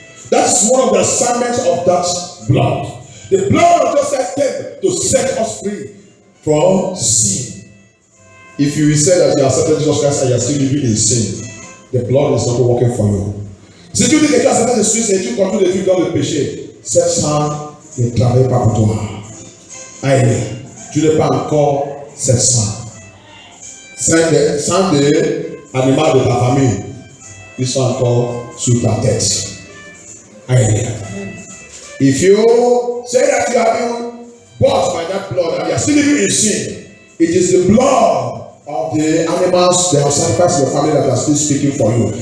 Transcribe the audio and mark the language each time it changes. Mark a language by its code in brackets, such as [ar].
[en] That's one of the assignments of that blood. The blood of Jesus came to set us free from sin. If you say that you accepted Jesus Christ and you are still living in sin, the blood is not working for you. [fr] Si tu dis que tu as accepté Jésus et tu continues de vivre dans le péché, cette sang ne travaille pas pour toi. Aïe, tu n'es pas encore cette sang. Sang de animal de ta famille, ils sont encore sur ta tête. Aïe. [en] If you say that you have been bought by that blood and you are still living in sin, it is the blood of the animals that have sacrificed your family that are still speaking for you.